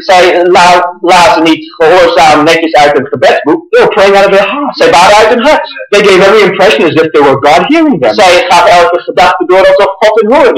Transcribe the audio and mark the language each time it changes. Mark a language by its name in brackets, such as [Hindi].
[Dutch] Zij lazen niet gehoorzaam netjes uit een gebedsboek. [English] They were praying out of their hearts. [Dutch] Zij baden uit hun hart. [English] They gave every impression as if they were God hearing them. [Dutch] Zij gaf elke gedachte door alsof God hen hoorde.